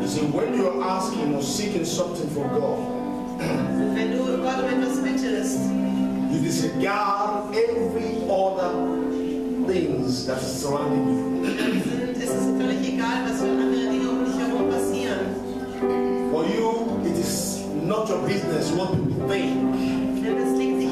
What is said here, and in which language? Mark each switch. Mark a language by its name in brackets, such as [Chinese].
[English] You see, when you are asking or seeking something from God, [German] wenn du Gott um etwas bittest, [English] you disregard every other things that are surrounding you. [German] Es ist völlig egal, was für andere Dinge um dich herum passieren. [English] For you, it is not your business what people think.